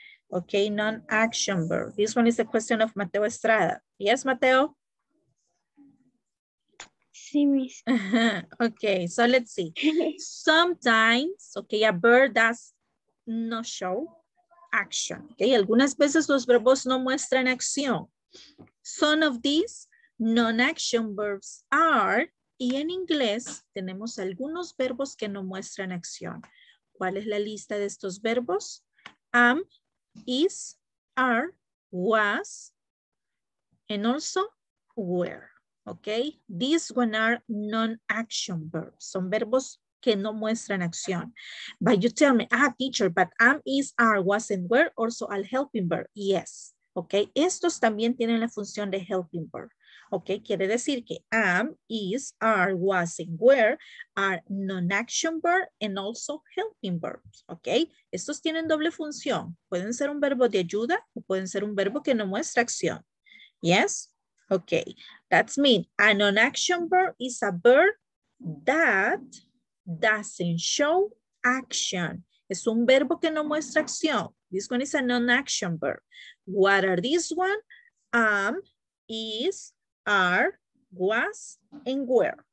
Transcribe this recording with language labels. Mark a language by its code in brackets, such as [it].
[en] Okay, non-action verb. This one is a question of Mateo Estrada. Yes, Mateo? [es] Sí, miss. [en] Okay, so let's see. Sometimes, okay, a verb does not show action. [es] Okay, algunas veces los verbos no muestran acción. [en] Some of these non-action verbs are. [es] Y en inglés tenemos algunos verbos que no muestran acción. ¿Cuál es la lista de estos verbos? [en] Am, is, are, was, and also were. [es] Okay? [en] These one are non-action verbs. [es] Son verbos que no muestran acción. [en] But you tell me, ah, teacher, but am, is, are, was, and were also a helping verb. Yes. Okay? [es] Estos también tienen la función de helping verb. [en] Okay, [es] quiere decir que [en] am, is, are, was, and were are non-action verb and also helping verbs. [es] Okay, estos tienen doble función. Pueden ser un verbo de ayuda o pueden ser un verbo que no muestra acción. [en] Yes? Okay, that means a non-action verb is a verb that doesn't show action. [es] Es un verbo que no muestra acción. [en] This one is a non-action verb. What are this one? Am, is, are, was, and were.